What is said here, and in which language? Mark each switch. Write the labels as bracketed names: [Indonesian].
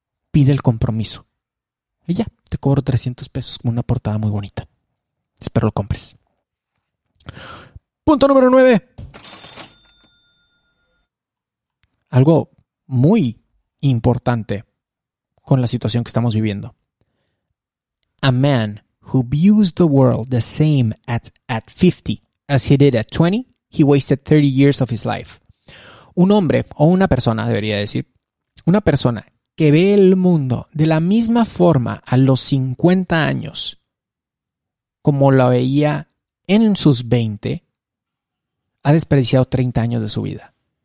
[Spanish] Pide el compromiso. Y ya, te cobro 300 pesos con una portada muy bonita. Espero lo compres. Punto número 9. Algo muy importante con la situación que estamos viviendo. [English] A man who views the world the same at 50 as he did at 20, he wasted 30 years of his life. [Spanish] Un hombre, o una persona, debería decir, una persona que ve el mundo de la misma forma a los 50 años como la veía en sus 20, ha desperdiciado 30 años de su vida.